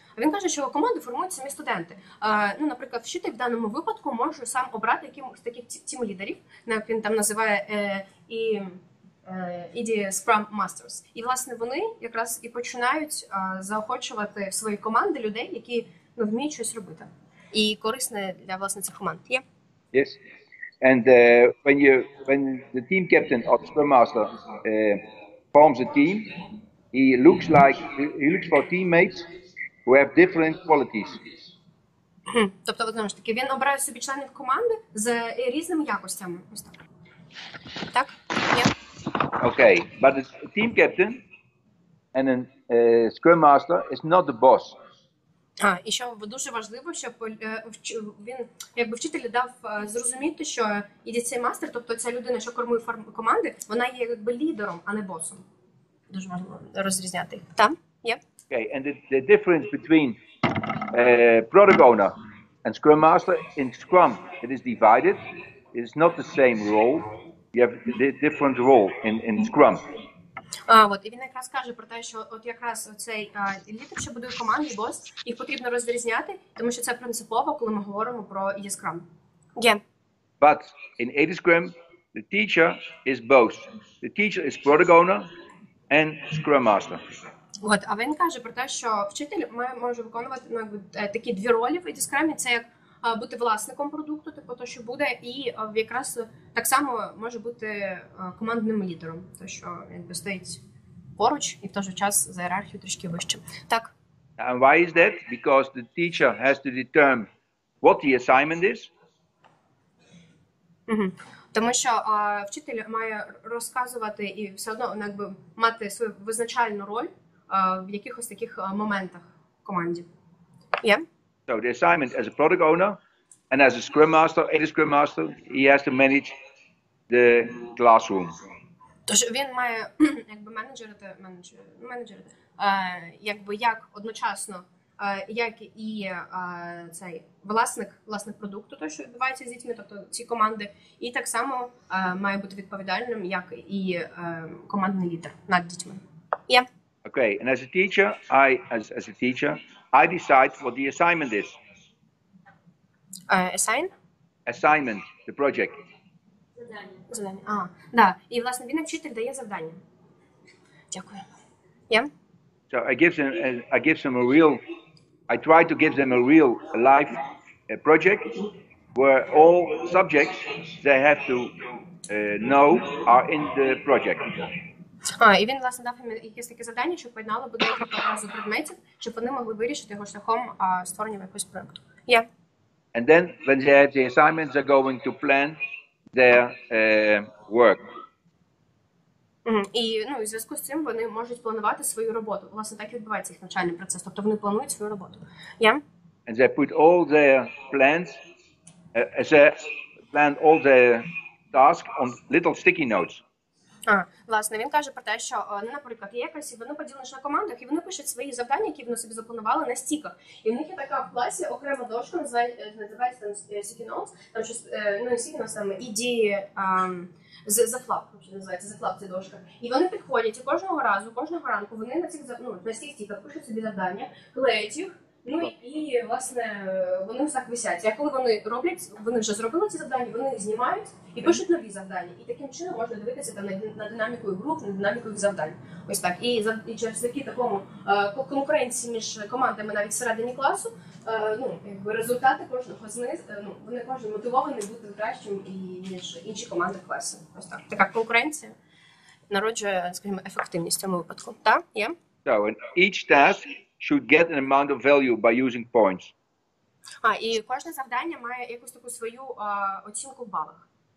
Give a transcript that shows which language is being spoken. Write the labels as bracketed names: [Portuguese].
[Ukrainian] А він каже, що команди формуються самі студенти. Ну, наприклад, вчитель в даному випадку може сам обрати якимось таких тім-лідерів, як він там називає, і Scrum Masters. І, власне, вони якраз і починають заохочувати в свої команди людей, які, ну, вміють щось робити. І корисне для, власне, цих команд. Є? [English] Yeah. Yes. And when the team captain or Scrum Master forms a team, he looks for teammates who have different qualities. [Ukrainian] Тобто, знову ж таки, він обирає собі членів команди з різними якостями. Так? [English] Yeah. Okay, but a team captain and a scrum master is not the boss. [Ukrainian] І ще дуже важливо, щоб він, якби вчитель дав зрозуміти, що іде цей мастер, тобто ця людина, що кормує команди, вона є якби лідером, а не босом. Дуже важливо розрізняти. Там? Є? [English] Yeah. Okay, and the difference between product owner and scrum master, in scrum it is divided. It is not the same role. You have a different role in scrum. [Ukrainian] От, і він якраз каже про те, що от якраз цей лідер, що будує команду, бос, їх потрібно розрізняти, тому що це принципово, коли ми говоримо про ID Scrum. Є. [English] Yeah. But in ID Scrum, the teacher is both. The teacher is product owner and scrum master. [Ukrainian] От, а він каже про те, що вчитель може виконувати, ну, якби, такі дві ролі в ID Scrum, це як бути власником продукту, типу то, що буде, і якраз так само може бути командним лідером, то що якби стоїть поруч і в той же час за ієрархію трішки вище. Так. [English] And why is that? Because the teacher has to determine what the assignment is. Угу. [Ukrainian] Тому що вчитель має розказувати і все одно, якби, мати свою визначальну роль в якихось таких моментах в команді. Є? [English] Yeah? So the assignment as a product owner and as a scrum master, in the scrum master, he has to manage the classroom. [Ukrainian] Тож він має якби менеджерити, менеджерити. Якби як одночасно, як і цей власник продукту, то що відбувається з дітьми, тобто ці команди, і так само має бути відповідальним, як і командний лідер над дітьми. [English] Yeah. Okay, and as a teacher, I as a teacher, I decide what the assignment is. Assignment, the project. [Ukrainian] Завдання. Да. І власне він вчитель дає завдання. Дякую. [English] Yeah. So I give them a real, I try to give them a real life project where all subjects they have to know are in the project. [Ukrainian] І він власне дав їм якесь таке завдання, щоб поєднало буде разу предметів, щоб вони могли вирішити його шляхом створення якогось проекту. [English] Yeah. And then when they have the assignments, they're going to plan their work. [Ukrainian] І ну, в зв'язку з цим вони можуть планувати свою роботу. Власне, так і відбувається їх навчальний процес, тобто вони планують свою роботу. [English] Yeah. And they put all their plans as they plan all their tasks on little sticky notes. [Ukrainian] Власне, він каже про те, що, наприклад, є якась, і вони поділені на командах, і вони пишуть свої завдання, які вони собі запланували на стіках. І в них є така в класі окрема дошка, називається там sticky notes, там щось, ну, sticky notes саме, ідеї, за флап, що називається, за флап ця дошка. І вони підходять, і кожного разу, кожного ранку, вони на цих, ну, на стіках пишуть собі завдання, клеять їх, ну, і, власне, вони так висять. А коли вони роблять, вони вже зробили ці завдання, вони знімають, і пишуть нові завдання. І таким чином можна дивитися там на динаміку груп, на динаміку їх завдань. Ось так. І через такі такому конкуренції між командами навіть всередині класу, ну, якби результати кожного з них, ну, вони кожен мотивований бути кращим і ніж інші команди класу. Ось так. Така конкуренція народжує, скажімо, ефективність в цьому випадку. Так? Є? [English] So, and each task should get an amount of value by using points. [Ukrainian] А, і кожне завдання має якусь таку свою оцінку в балах.